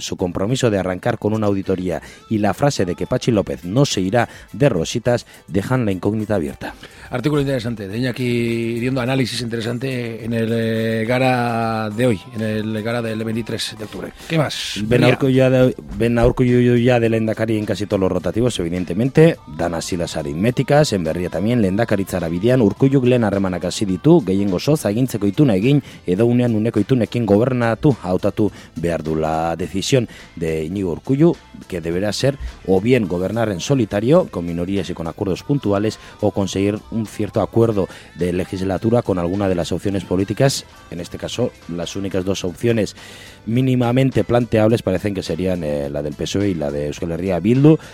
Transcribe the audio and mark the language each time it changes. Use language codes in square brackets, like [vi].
[es] Su compromiso de arrancar con una auditoría y la frase de que Patxi López no se irá de rositas dejan la incógnita abierta. Artículo interesante de Iñaki Iriondo, análisis interesante en el Gara de hoy, en el Gara del 23 de octubre. ¿Qué más? Ben Urkullu ya de lehendakari en casi todos los rotativos, evidentemente, dan así las aritméticas. En Berria también, [eu] lehendakaritzara bidean, Urkulluk lehen harremanak hasi ditu, gehiengo soz agintzeko ituna egin, edo unean uneko itunekin gobernatu, hautatu behar du. [es] La decisión de Iñigo Urkullu, que deberá ser o bien gobernar en solitario, con minorías y con acuerdos puntuales, o conseguir un cierto acuerdo de legislatura con alguna de las opciones políticas, en este caso, las únicas dos opciones mínimamente planteables parecen que serían la del PSOE y la de Euskal Herria Bildu.